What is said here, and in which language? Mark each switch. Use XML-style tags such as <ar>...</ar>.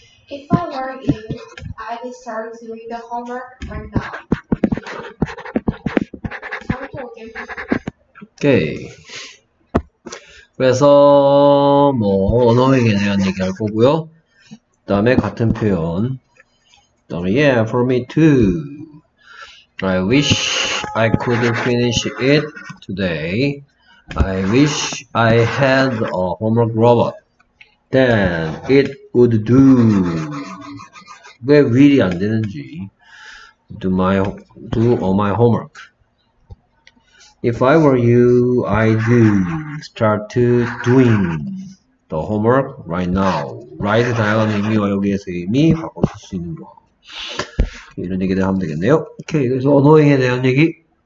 <en>If I were you, I'd start doing the homework right now.</en> <ko>오케이. 그래서 뭐 언어에 대한 얘기할 거고요. 그다음에 같은 표현. 그다음에</ko> <en>yeah, for me too.</en> <ko>I wish I could finish it today. I wish I had a homework robot.</ko> <en>Then it would do.</en> <ko>왜 will이 안 되는지.</ko> <en>Do all my homework. If I were you, I'd start to doing the homework right now.</en> <ko>Right 다양한 의미와 여기에서 이미 바꿔줄 수 있는 거. 이런 얘기를 하면 되겠네요. 오케이, 그래서 언어에 대한 얘기.</ko>